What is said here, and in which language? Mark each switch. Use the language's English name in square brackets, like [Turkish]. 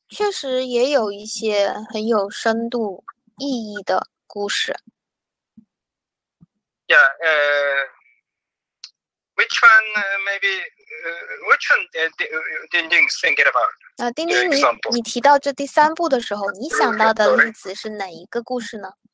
[Chinese] 确实也有一些很有深度意义的故事。 [English] Yeah, which one maybe, which one Ding Ding is thinking about? [Chinese] 那丁丁，你提到这第三步的时候，你想到的例子是哪一个故事呢？